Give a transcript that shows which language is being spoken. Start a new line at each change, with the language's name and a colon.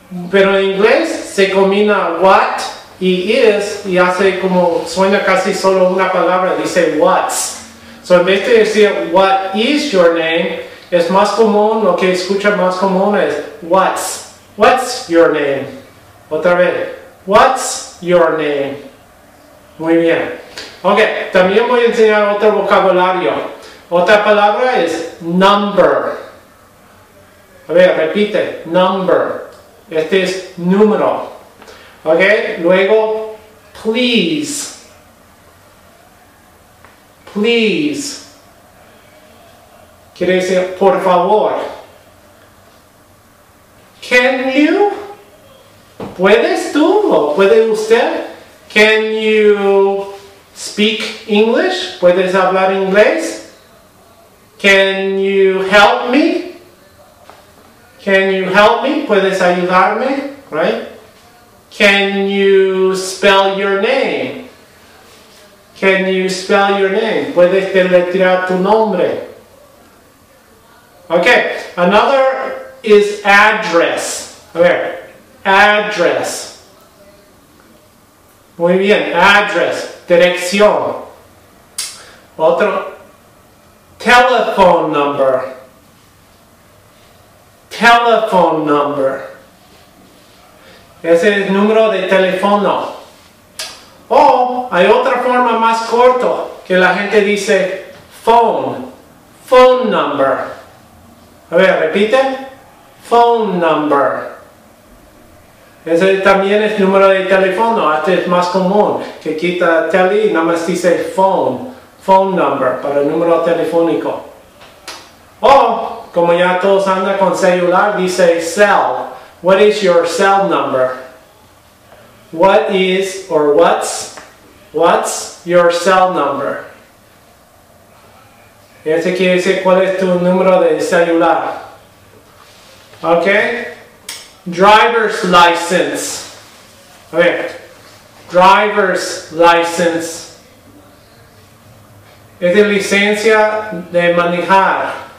Spanish: Pero en inglés se combina what y is y hace como suena casi solo una palabra, dice what's. So en vez de decir
English: what is your name,
Spanish: es más común, lo que escucha más común es what's.
English: What's your name?
Spanish: Otra vez,
English: what's your name?
Spanish: Muy bien. Ok, también voy a enseñar otro vocabulario. Otra palabra es number. A ver, repite, number. Este es número. Ok, luego, please. Please. Quiere decir, por favor.
English: Can you?
Spanish: ¿Puedes tú o puede usted?
English: Can you speak English?
Spanish: ¿Puedes hablar inglés?
English: Can you help me? Can you help me?
Spanish: ¿Puedes ayudarme?
English: Right? Can you spell your name? Can you spell your name?
Spanish: ¿Puedes deletrear tu nombre?
English: Okay, another is address. A ver, address.
Spanish: Muy bien, address, dirección. Otro, telephone number. Telephone number. Ese es el número de teléfono. O hay otra forma más corta que la gente dice phone. Phone number. A ver, repite. Phone number. Ese también es el número de teléfono. Este es más común. Que quita tele y nada más dice phone. Phone number para el número telefónico. O, como ya todos andan con celular, dice cell.
English: What is your cell number? What is or what's your cell number?
Spanish: Ese quiere decir cuál es tu número de celular.
English: Ok. Driver's license.
Spanish: A ver.
English: Driver's license.
Spanish: Es de licencia de manejar.